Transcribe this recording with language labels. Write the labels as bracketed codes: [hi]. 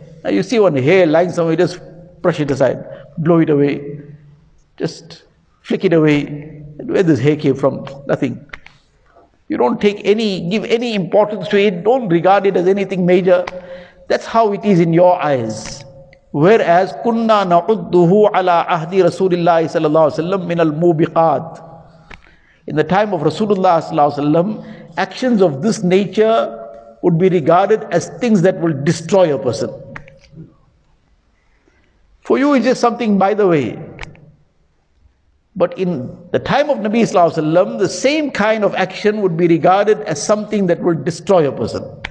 [en] Now you see one hair lying somewhere, just brush it aside, blow it away, just flick it away. Where this hair came from? Nothing. You don't take any, give any importance to it, don't regard it as anything major. That's how it is in your eyes. [ar] Whereas, كُنَّا نَعُدُّهُ عَلَىٰ أَهْدِ رَسُولِ اللَّهِ صَلَى اللَّهُ وَسَلَّمْ مِنَ الْمُوبِقَاتِ. [en] In the time of Rasulullah Sallallahu Alaihi Wasallam, actions of this nature would be regarded as things that will destroy a person. For you, it's just something by the way. But in the time of Nabi Sallallahu Alaihi Wasallam, the same kind of action would be regarded as something that will destroy a person.